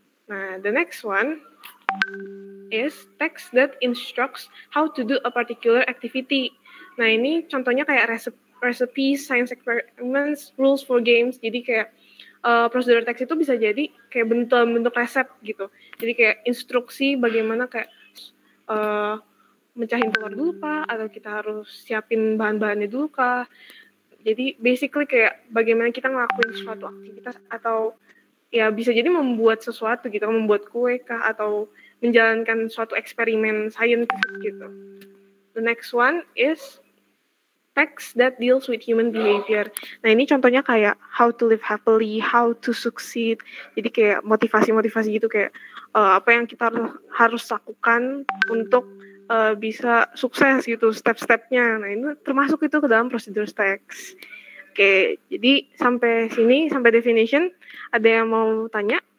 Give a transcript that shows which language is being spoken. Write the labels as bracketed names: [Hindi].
[English] Nah, the next one is text that instructs how to do a particular activity. [Indonesian] Nah, ini contohnya kayak [English] recipes, science experiments, rules for games. [Indonesian] Jadi kayak prosedur teks itu bisa jadi kayak bentuk-bentuk resep gitu. Jadi kayak instruksi bagaimana kayak mecahin telur dulu kah, atau kita harus siapin bahan-bahannya dulu kah. Jadi basically kayak bagaimana kita ngelakuin suatu aktivitas, atau ya bisa jadi membuat sesuatu gitu, membuat kue kah, atau menjalankan suatu eksperimen saintifik gitu. [English] The next one is text that deals with human behavior. [Indonesian] Nah, ini contohnya kayak [English] how to live happily, how to succeed. [Indonesian] Jadi kayak motivasi-motivasi gitu, kayak apa yang kita harus lakukan untuk bisa sukses gitu, step-stepnya. Nah, ini termasuk itu ke dalam procedure text. Oke, jadi sampai sini, sampai definition, ada yang mau tanya?